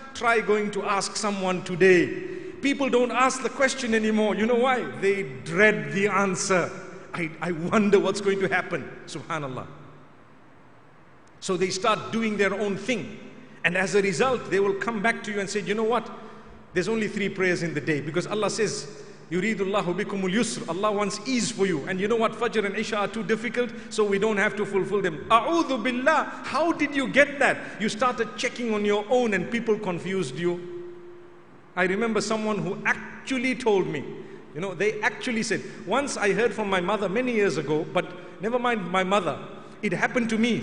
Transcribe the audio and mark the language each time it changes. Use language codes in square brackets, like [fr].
[en] Try going to ask someone today. People don't ask the question anymore. You know why? They dread the answer. I wonder what's going to happen. Subhanallah. So they start doing their own thing. And as a result, they will come back to you and say, you know what? There's only three prayers in the day. Because Allah says, [ar] يُرِيدُ اللَّهُ بِكُمُ الْيُسْرِ. [en] Allah wants ease for you. And you know what? Fajr and Isha are too difficult, so we don't have to fulfill them. [ar] أَعُوذُ بِاللَّهِ. [en] How did you get that? You started checking on your own and people confused you. I remember someone who actually told me, you know, they actually said, once I heard from my mother many years ago, but never mind my mother. It happened to me.